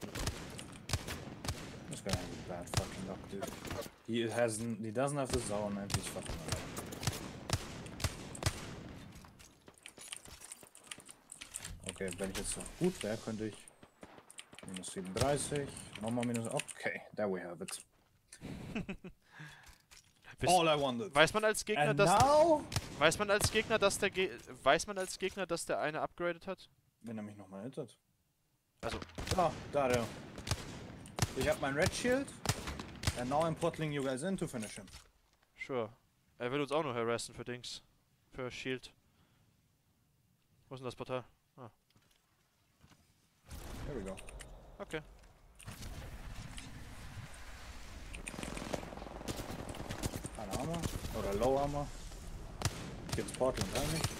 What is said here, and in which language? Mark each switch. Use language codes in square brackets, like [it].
[en] This guy has a bad fucking luck, dude. He doesn't have the zone and he's fucking alive. [de] Okay, wenn ich jetzt so gut wäre, könnte ich. [en] Minus 37. [de] Nochmal minus. [en] Okay, there we have it. All I wanted. And now? [de] Weiß man als Gegner, dass der eine upgradet hat? Wenn er mich nochmal hittet. Also. Ah, da der. Ich hab mein Red Shield. [en] And now I'm portaling you guys in to finish him. Sure. [de] Er will uns auch noch harassen für Dings. Für Shield. Wo ist denn das Portal? [en] Here we go. Okay. [de] Keine Armor oder Low Armor. Gibt's Portal gar nicht.